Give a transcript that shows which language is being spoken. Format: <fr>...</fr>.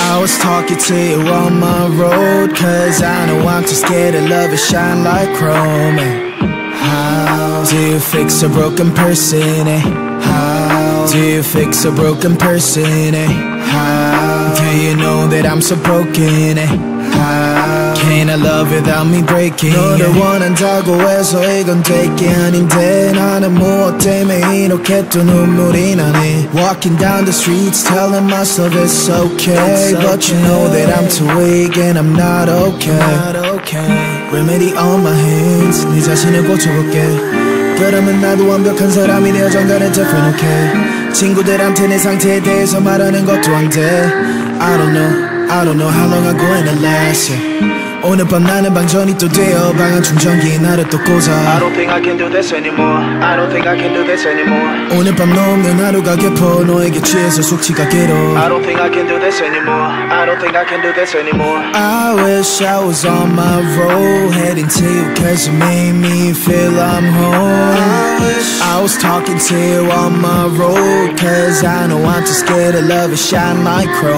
<en>I was talking to you on my road, cause I know I'm too scared of love and shine like chrome. How do you fix a broken person, eh? Do you fix a broken person, eh? How? Do you know that I'm so broken, eh? How? Can I love without me breaking?</en> <ko>너를 원한다고 해서 이건 되게 아닌데 나는 무엇 때문에 이렇게 또 눈물이 나네.</ko> <en>Walking down the streets telling myself it's okay, it's okay. But you know that I'm too weak and I'm not okay, not okay. Remedy on my hands,</en> <ko>네 자신을 고쳐볼게. 그러면 나도 완벽한 사람이 되어 정단을 덮어놓게. 친구들한테 내 상태에 대해서 말하는 것도 안 돼.</ko> <en>I don't know how long I'm gonna last, yeah.</en> <ko>오늘 밤 나는 방전이 또 되어 방안 충전기 나를 또 꽂아.</ko> <en>I don't think I can do this anymore, I don't think I can do this anymore.</en> <ko>오늘 밤 넘는 하루가 깊어 너에게 취해서 숙취가 길어.</ko> <en>I don't think I can do this anymore, I don't think I can do this anymore. I wish I was on my road, heading to you cause you made me feel I'm home. I wish I was talking to you on my road, cause I know I'm too scared of love and shine like chrome.</en>